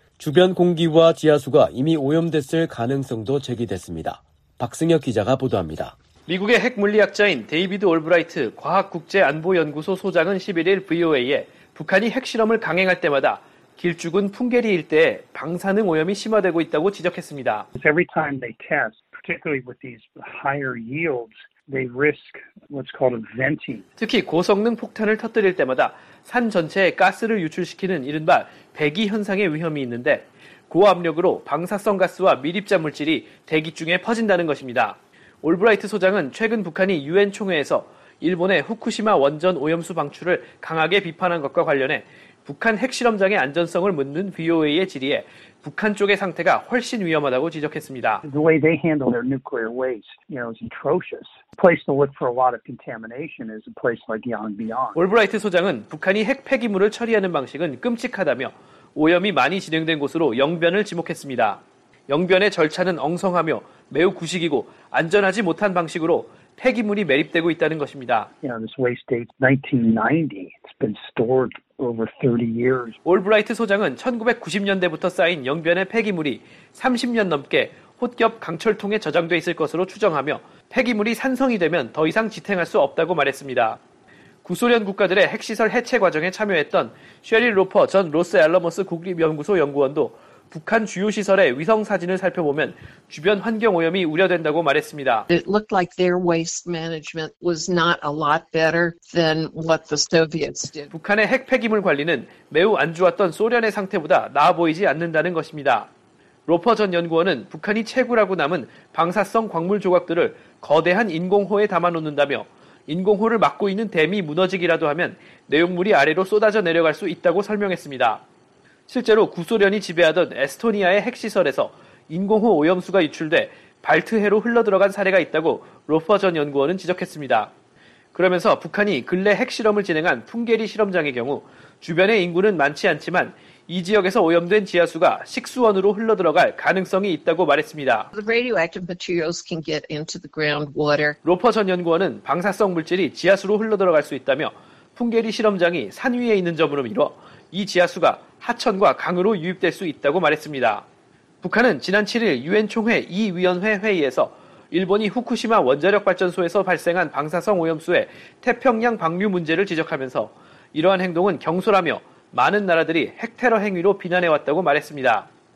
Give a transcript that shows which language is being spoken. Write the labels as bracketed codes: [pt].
[ko] 주변 공기와 지하수가 이미 오염됐을 가능성도 제기됐습니다. 박승혁 기자가 보도합니다. 미국의 핵 물리학자인 데이비드 올브라이트 과학국제안보연구소 소장은 11일 VOA에 북한이 핵실험을 강행할 때마다 길쭉은 풍계리 일대에 방사능 오염이 심화되고 있다고 지적했습니다. [en] Every time they test, particularly with these higher yields, they risk what's called a venting. [ko] 특히 고성능 폭탄을 터뜨릴 때마다 산 전체에 가스를 유출시키는 이른바 배기 현상의 위험이 있는데 고압력으로 방사성 가스와 밀입자 물질이 대기 중에 퍼진다는 것입니다. 올브라이트 소장은 최근 북한이 유엔 총회에서 일본의 후쿠시마 원전 오염수 방출을 강하게 비판한 것과 관련해 북한 핵실험장의 안전성을 묻는 VOA의 질의에 북한 쪽의 상태가 훨씬 위험하다고 지적했습니다. [en] The way they handle their nuclear waste, you know, is atrocious. A place to look for a lot of contamination is a place like Yongbyon. [ko] 올브라이트 소장은 북한이 핵 폐기물을 처리하는 방식은 끔찍하다며 오염이 많이 진행된 곳으로 영변을 지목했습니다. 영변의 절차는 엉성하며 매우 구식이고 안전하지 못한 방식으로 폐기물이 매립되고 있다는 것입니다. [en] You know, this waste dates 1990. It's been stored over 30 years. [ko] 올브라이트 소장은 1990년대부터 쌓인 영변의 폐기물이 30년 넘게 홋겹 강철통에 저장돼 있을 것으로 추정하며 폐기물이 산성이 되면 더 이상 지탱할 수 없다고 말했습니다. 구소련 국가들의 핵시설 해체 과정에 참여했던 쉐릴 로퍼 전 로스앨러머스 국립연구소 연구원도 북한 주요 시설의 위성 사진을 살펴보면 주변 환경 오염이 우려된다고 말했습니다. [en] It looked like their waste management was not a lot better than what the Soviets did. [ko] 북한의 핵 폐기물 관리는 매우 안 좋았던 소련의 상태보다 나아 보이지 않는다는 것입니다. 로퍼 전 연구원은 북한이 채굴하고 남은 방사성 광물 조각들을 거대한 인공호에 담아놓는다며 인공호를 막고 있는 댐이 무너지기라도 하면 내용물이 아래로 쏟아져 내려갈 수 있다고 설명했습니다. 실제로 구소련이 지배하던 에스토니아의 핵시설에서 인공호 오염수가 유출돼 발트해로 흘러들어간 사례가 있다고 로퍼 전 연구원은 지적했습니다. 그러면서 북한이 근래 핵실험을 진행한 풍계리 실험장의 경우 주변의 인구는 많지 않지만 이 지역에서 오염된 지하수가 식수원으로 흘러들어갈 가능성이 있다고 말했습니다. [en] The radioactive materials can get into the groundwater. [ko] 로퍼 전 연구원은 방사성 물질이 지하수로 흘러들어갈 수 있다며 풍계리 실험장이 산 위에 있는 점으로 미뤄 이 지하수가 하천과 강으로 유입될 수 있다고 말했습니다. 북한은 지난 7일 유엔 총회 2위원회 회의에서 일본이 후쿠시마 원자력 발전소에서 발생한 방사성 오염수의 태평양 방류 문제를 지적하면서 이러한 행동은 경솔하며 많은 나라들이 핵테러 행위로 비난해왔다고 말했습니다.